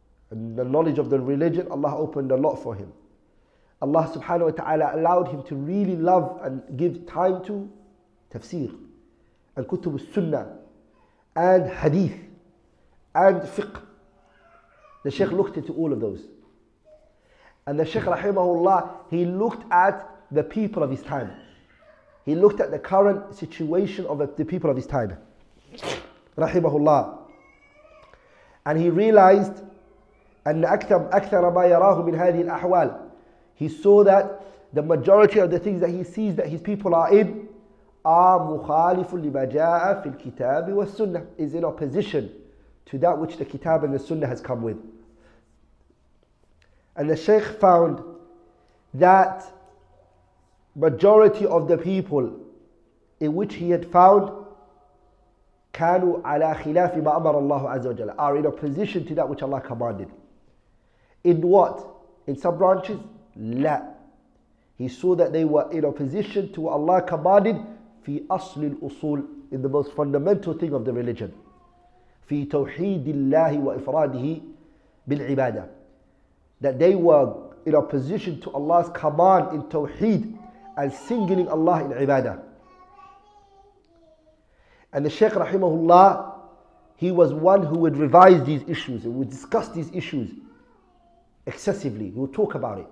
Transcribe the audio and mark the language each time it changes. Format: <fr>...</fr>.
<en>And the knowledge of the religion, Allah opened a lot for him. Allah subhanahu wa ta'ala allowed him to really love and give time to tafsir and kutub al-sunnah and hadith and fiqh. The Shaykh looked into all of those. And the Shaykh rahimahullah, he looked at the people of his time. He looked at the current situation of the people of his time. Rahimahullah. And he realized</en> <ar>أكثر ما يراه من هذه الأحوال.</ar> <en>He saw that the majority of the things that he sees that his people are in are</en> <ar>مخالف لما جاء في الكتاب والسنة,</ar> <en>is in opposition to that which the Kitab and the Sunnah has come with. And the Shaykh found that majority of the people in which he had found</en> <ar>كانوا على خلاف ما أمر الله عز وجل,</ar> <en>are in opposition to that which Allah commanded. In what? In some branches? لا. He saw that they were in opposition to what Allah commanded</en> <ar>في أصل الأصول,</ar> <en>in the most fundamental thing of the religion.</en> <ar>في توحيد الله وإفراده بالعبادة.</ar> <en>That they were in opposition to Allah's command in Tawheed and singling Allah in ibadah. And the Shaykh rahimahullah, he was one who would revise these issues and would discuss these issues excessively. He would talk about it.</en>